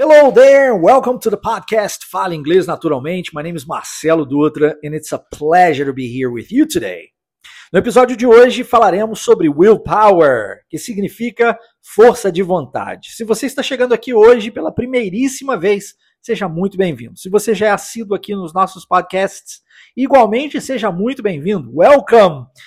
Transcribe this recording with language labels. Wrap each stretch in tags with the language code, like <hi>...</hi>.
<en>Hello there, welcome to the podcast, Fala Inglês Naturalmente. My name is Marcelo Dutra, and it's a pleasure to be here with you today.</en> <pt>No episódio de hoje, falaremos sobre willpower, que significa força de vontade. Se você está chegando aqui hoje pela primeiríssima vez, seja muito bem-vindo. Se você já é assíduo aqui nos nossos podcasts, igualmente, seja muito bem-vindo. Welcome!</pt>